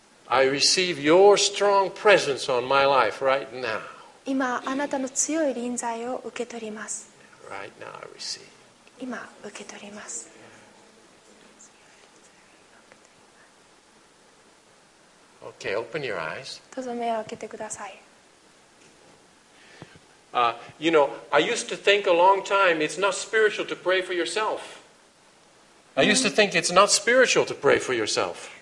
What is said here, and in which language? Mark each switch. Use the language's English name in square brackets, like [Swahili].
[English] I receive your strong presence on my life right now. [Japanese] 今あなたの強い臨在を受け取ります。 [English] Right now I receive. [Japanese] 今受け取ります。 [English] Okay, open your eyes. [Japanese] どうぞ目を開けてください。 [English] You know, I used to think a long time it's not spiritual to pray for yourself. I used to think it's not spiritual to pray for yourself.